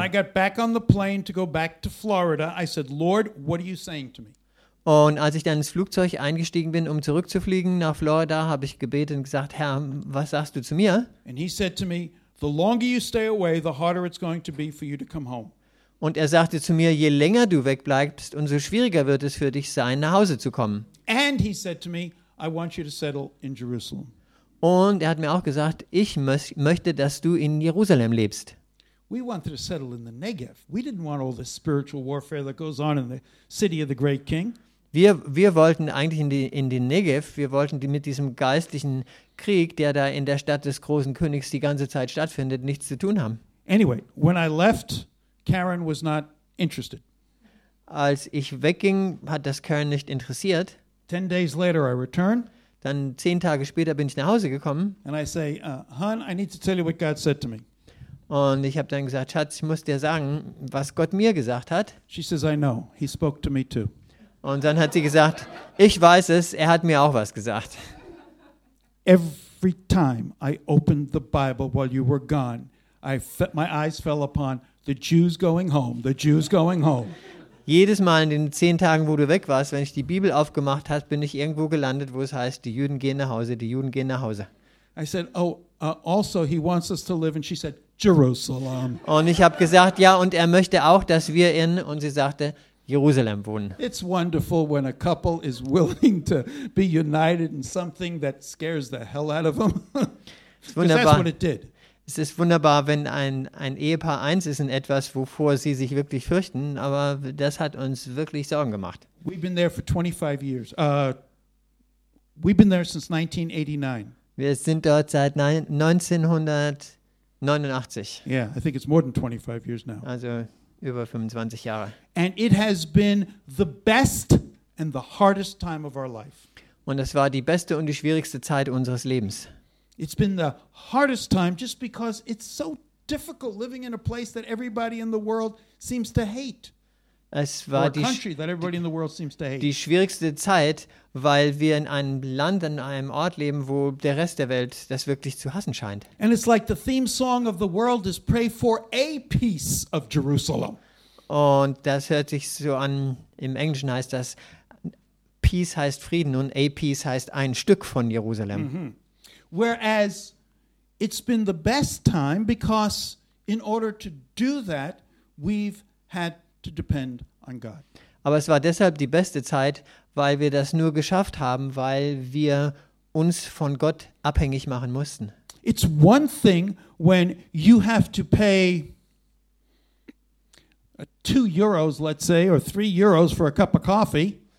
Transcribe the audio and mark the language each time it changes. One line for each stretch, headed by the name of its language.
English: When I got back on the plane to go back to Florida, I said, Lord, what are you saying to me?
German: Und als ich dann ins Flugzeug eingestiegen bin, um zurückzufliegen nach Florida, habe ich gebetet und gesagt, Herr, was sagst du zu mir?
English: And he said to me, the longer you stay away, the harder it's going to be for you to come home.
German: Und er sagte zu mir, je länger du wegbleibst, umso schwieriger wird es für dich sein, nach Hause zu kommen.
English: And he said to me, I want you to settle in Jerusalem.
German: Und er hat mir auch gesagt, ich möchte, dass du in Jerusalem lebst.
English: We wanted to settle in the Negev. We didn't want all the spiritual warfare that goes on in the city of the great king.
German: Wir wollten eigentlich in den Negev, wir wollten mit diesem geistlichen Krieg, der da in der Stadt des großen Königs die ganze Zeit stattfindet, nichts zu tun haben.
English: Anyway, when I left, Karen was not interested.
German: Als ich wegging, hat das Karen nicht interessiert.
English: 10 days later I return.
German: Dann 10 Tage später bin ich nach Hause gekommen.
English: And I say, hon, I need to tell you what God said to me.
German: Und ich habe dann gesagt, Schatz, ich muss dir sagen, was Gott mir gesagt hat.
English: She says, I know, he spoke to me too.
German: Und dann hat sie gesagt, ich weiß es, er hat mir auch was gesagt.
English: Every time I opened the Bible while you were gone, my eyes fell upon the Jews going home, the Jews going home.
German: Jedes Mal in den 10 Tagen, wo du weg warst, wenn ich die Bibel aufgemacht habe, bin ich irgendwo gelandet, wo es heißt, die Juden gehen nach Hause, die Juden gehen nach Hause.
English: I said, also he wants us to live, and she said, Jerusalem.
German: Und ich habe gesagt, ja, und er möchte auch, dass wir in, und sie sagte, Jerusalem wohnen.
English: It's wonderful when a couple is willing to be united in something that scares the hell out of them.
German: Wunderbar.
English: That's what it did.
German: Es ist wunderbar, wenn ein Ehepaar eins ist in etwas, wovor sie sich wirklich fürchten, aber das hat uns wirklich Sorgen gemacht.
English: We've been there for 25 years. We've been there since 1989.
German: Wir sind dort seit 1989.
English: Yeah, I think it's more than 25 years now.
German: Also über 25 Jahre.
English: And it has been the best and the hardest time of our life.
German: Und es war die beste und die schwierigste Zeit unseres Lebens.
English: It's been the hardest time just because it's so difficult living in a place that everybody in the world seems to hate.
German: Es war
English: a country that everybody in the world seems to hate.
German: Die schwierigste Zeit, weil wir in einem Land, an einem Ort leben, wo der Rest der Welt das wirklich zu hassen scheint.
English: And it's like the theme song of the world is pray for a piece of Jerusalem.
German: Und das hört sich so an, im Englischen heißt das, Peace heißt Frieden und
English: a piece
German: heißt ein Stück von Jerusalem. Mm-hmm.
English: Whereas it's been the best time because in order to do that, we've had to depend on God.
German: Aber es war deshalb die beste Zeit, weil wir das nur geschafft haben, weil wir uns von Gott abhängig machen mussten.
English: It's one thing when you have to pay 2 euros, let's say, or 3 euros for a cup of coffee.